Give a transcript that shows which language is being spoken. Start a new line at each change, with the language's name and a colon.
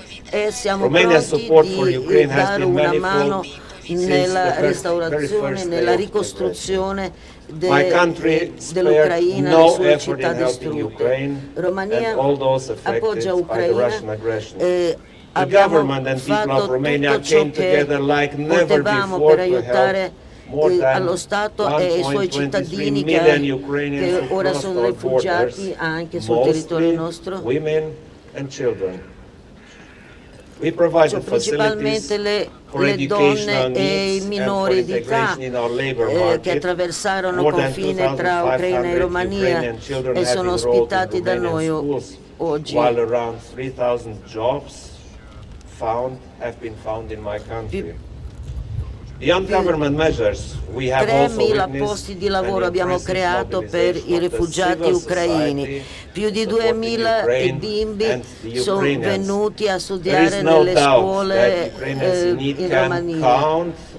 Italian: E siamo pronti di dare una mano nella restaurazione, nella ricostruzione dell'Ucraina, le sue città distrutte. Romania appoggia l'Ucraina.
English: The government and people of Romania came together like never before to help more than
Italian: allo Stato e i suoi cittadini che ora sono rifugiati anche sul territorio nostro.
English: Women and children. We provide the facilities
Italian: le donne e i minori di età che attraversarono confine tra Ucraina e Romania e sono ospitati da noi oggi.
English: While around 3,000 jobs have been found in my country. Beyond government measures, we have
Italian: 3,000 posti di lavoro abbiamo creato per i rifugiati ucraini. Più di 2,000 bimbi sono venuti a studiare nelle scuole in Romania.